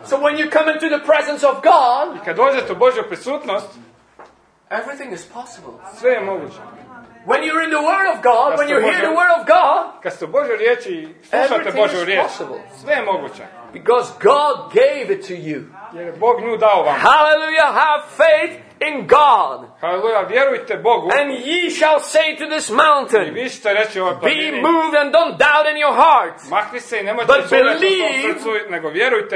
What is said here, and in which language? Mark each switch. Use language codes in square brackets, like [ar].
[en] So when you come into the presence of God. [hr] I kad dođete u Božju prisutnost. [en] Everything is possible. [hr] Sve je moguće. [en] When you're in the word of God, when you hear the word of God. [hr] Kad ste u Božju riječ i slušate Božju riječ. [en] Possible. [hr] Sve je moguće. [en] Because God gave it to you. [hr] Jer Bog nju dao vam. [en] Hallelujah, have faith in God. [hr] Hallelujah, vjerujte Bogu. [en] And ye shall say to this mountain, [hr] I vi ćete reći ovoj planini, [en] be moved and don't doubt in your heart. [hr] Makni se i nemojte zoveći u svom srcu, nego vjerujte.